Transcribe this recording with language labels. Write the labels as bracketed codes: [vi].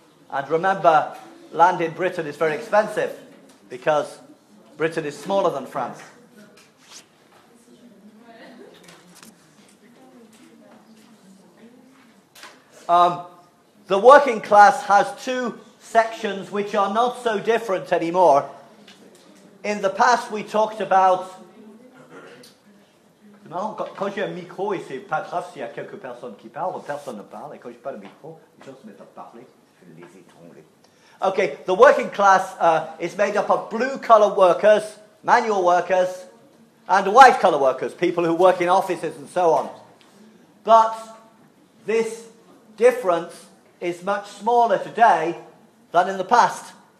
[en] And remember, land in Britain is very expensive because Britain is smaller than France. The working class has two sections which are not so different anymore. In the past, we talked about... [fr] Non, quand j'ai un micro, et c'est pas grave s'il y a quelques personnes qui parlent, personne ne parle, et quand j'ai pas de micro, les gens se mettent à parler, je les étrangler. [en] Okay, the working class is made up of blue-collar workers, manual workers, and white-collar workers, people who work in offices and so on. But this difference is much smaller today than in the past.